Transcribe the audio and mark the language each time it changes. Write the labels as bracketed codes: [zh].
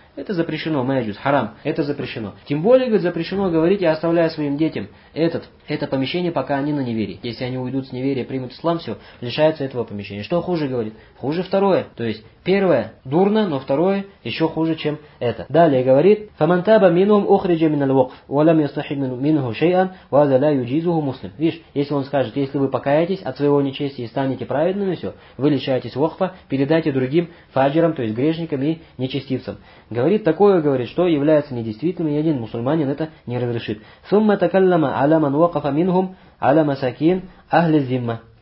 [ru] Это запрещено, маджус, харам, это запрещено. Тем более, говорит, запрещено говорить, я оставляю своим детям это помещение, пока они на неверии. Если они уйдут с неверия, примут ислам, все, лишаются этого помещения. Что хуже, говорит? Хуже второе. То есть, первое дурно, но второе еще хуже, чем это. [ar] Далее говорит, فَمَنْتَابَ مِنُهُمْ أُخْرِجَ مِنَ الْوَقْفِ وَلَمْ يَسْتَحِبْ مِنْهُ شَيْئًا وَذَا لَا يُجِزُهُ مُسْلِمٌ. [ru] Видишь, если он скажет, если вы покаетесь от своего нечестия и станете праведными, все, вы лишаетесь вакфа, передайте другим фаджирам, то есть грешникам и нечестивцам. Говорит, такое говорит, что является недействительным, и один мусульманин это не разрешит. [ar] ثُمَّ تَكَلَّمَ عَلَى مَنْ وَقَفَ مِنْهُمْ عَلَى مَسَكِينْ أَهْلِ الزِّمَّةِ.